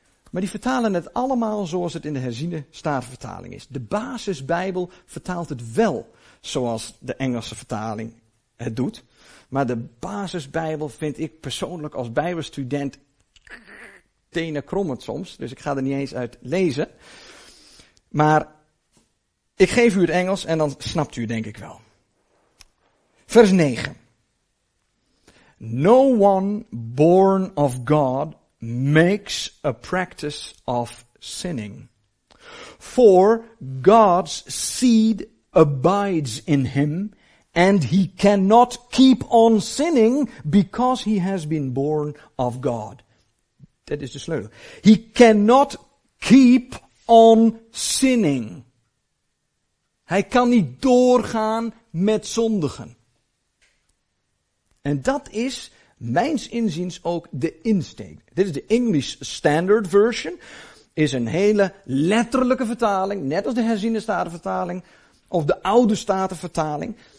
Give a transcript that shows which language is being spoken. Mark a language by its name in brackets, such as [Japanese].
[Dutch] Maar die vertalen het allemaal zoals het in de herziene Statenvertaling is. De basisbijbel vertaalt het wel zoals de Engelse vertaling het doet. Maar de basisbijbel vind ik persoonlijk als bijbelstudent tenenkrommend soms. Dus ik ga er niet eens uit lezen. Maar ik geef u het Engels en dan snapt u het denk ik wel. Vers 9. [English] No one born of God makes a practice of sinning. For God's seed abides in him, and he cannot keep on sinning because he has been born of God. [Dutch] Dat is de sleutel. [English] He cannot keep on sinning. [Dutch] Hij kan niet doorgaan met zondigen. En dat is mijns inziens ook de insteek. Dit is de English Standard Version. Is een hele letterlijke vertaling, net als de herziende statenvertaling of de oude statenvertaling.